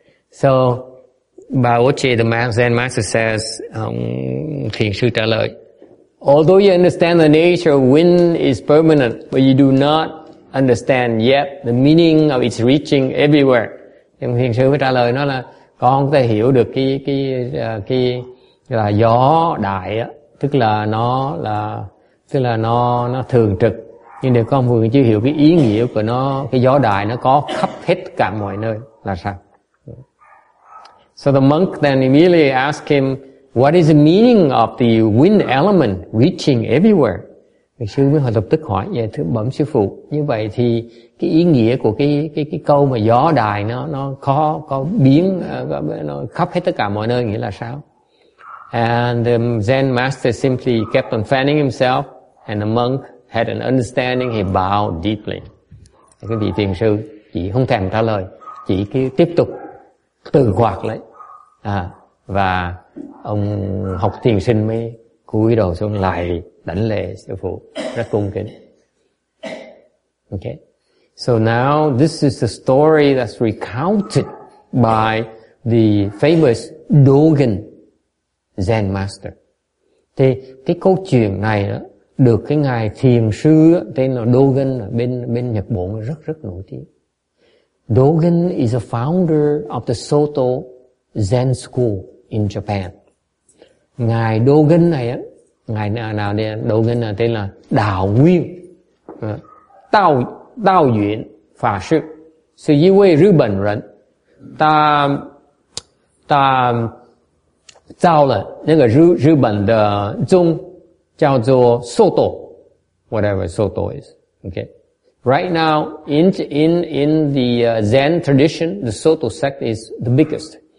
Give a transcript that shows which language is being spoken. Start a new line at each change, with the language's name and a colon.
English: So by Oche, the Zen master says,
Vietnamese: Thiền sư trả lời,
English: although you understand the nature of wind is permanent, but you do not understand yet the meaning of its reaching everywhere.
Vietnamese: Thì Thiền sư mới trả lời nó là con có thể hiểu được cái là gió đại á, tức là nó thường trực, nhưng nếu con vừa chưa hiểu cái ý nghĩa của nó, cái gió đại nó có khắp hết cả mọi nơi là sao?
English: So the monk then immediately asked him, what is the meaning of the wind element reaching everywhere?
Vietnamese: Thầy sư mới lập tức hỏi, dạ thưa bẩm sư phụ, như vậy thì cái ý nghĩa của cái câu mà gió đài nó có biến, nó khắp hết tất cả mọi nơi, nghĩa là sao?
English: And the Zen master simply kept on fanning himself, and the monk had an understanding, he bowed deeply.
Vietnamese: Cái vị thiền sư chỉ không thèm trả lời, chỉ cứ tiếp tục từ quạt lấy, và ông học thiền sinh mới cúi đầu xuống lại đảnh lễ sư phụ rất cung kính.
English: Okay, so now this is the story that's recounted by the famous Dogen Zen master.
Vietnamese: Thì cái câu chuyện này đó, được cái ngài thiền sư tên là Dogen bên Nhật Bản rất rất nổi tiếng.
English: Dogen is a founder of the Soto Zen school in Japan.
Vietnamese: Ngài Dogen này á, ngài nào đây, Dogen là tên là Đạo Nguyên, Đạo Nguyên Pháp Sư, sư yi wei rư bẩn rẩn, ta zào le nè ge rư bẩn de zhōng, jiào zuō Soto,
English: whatever Soto is, okay. Right now, in the Zen tradition, the Soto sect is the biggest.